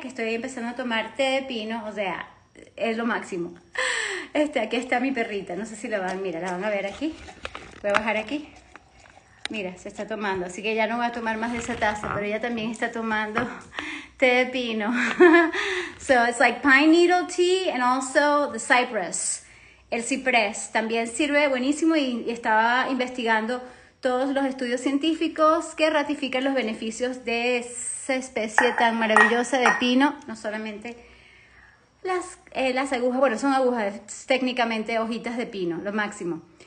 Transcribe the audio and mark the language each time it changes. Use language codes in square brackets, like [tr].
[es] Que estoy empezando a tomar té de pino, o sea, es lo máximo. Aquí está mi perrita, no sé si la van, mira, la van a ver aquí. Voy a bajar aquí. Mira, se está tomando, así que ya no voy a tomar más de esa taza, pero ella también está tomando té de pino. [en] So, it's like pine needle tea and also the cypress. [es] El ciprés también sirve buenísimo y estaba investigando todos los estudios científicos que ratifican los beneficios de esa especie tan maravillosa de pino, no solamente las agujas, bueno, son agujas, técnicamente hojitas de pino, lo máximo.